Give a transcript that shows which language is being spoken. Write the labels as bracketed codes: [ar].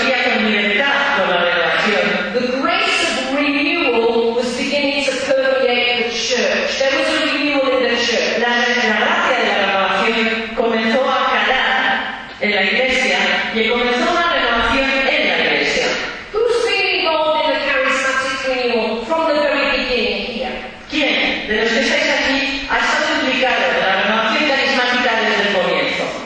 [en] the grace of renewal was beginning to permeate the church. There was a renewal in the church. [es] La gracia de la renovación comenzó a calar en la iglesia y comenzó una renovación en la iglesia. [en] Who's been involved in the charismatic renewal from the very beginning here? [es] ¿Quién de los que estáis aquí ha estado implicado en la renovación carismática desde el comienzo?